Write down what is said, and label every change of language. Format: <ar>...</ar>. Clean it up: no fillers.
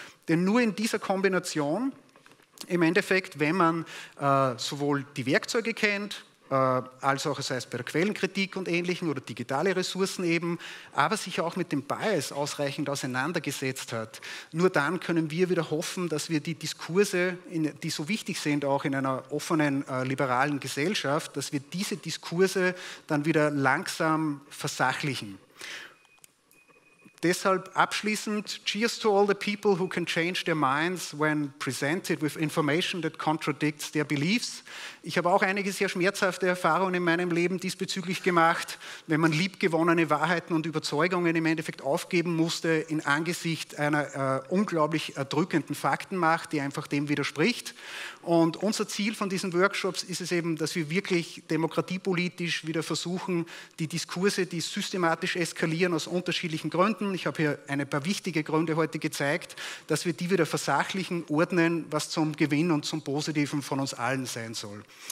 <de>Denn nur in dieser Kombination, im Endeffekt, wenn man sowohl die Werkzeuge kennt, als auch, sei es bei der Quellenkritik und Ähnlichem oder digitale Ressourcen eben, aber sich auch mit dem Bias ausreichend auseinandergesetzt hat, nur dann können wir wieder hoffen, dass wir die Diskurse, die so wichtig sind auch in einer offenen, liberalen Gesellschaft, dass wir diese Diskurse dann wieder langsam versachlichen. Deshalb abschließend,</de> <en>cheers to all the people who can change their minds when presented with information that contradicts their beliefs.</en> <de>Ich habe auch einige sehr schmerzhafte Erfahrungen in meinem Leben diesbezüglich gemacht, wenn man liebgewonnene Wahrheiten und Überzeugungen im Endeffekt aufgeben musste in Angesicht einer unglaublich erdrückenden Faktenmacht, die einfach dem widerspricht. Und unser Ziel von diesen Workshops ist es eben, dass wir wirklich demokratiepolitisch wieder versuchen, die Diskurse, die systematisch eskalieren aus unterschiedlichen Gründen, ich habe hier ein paar wichtige Gründe heute gezeigt, dass wir die wieder versachlichen, ordnen, was zum Gewinn und zum Positiven von uns allen sein soll.</de>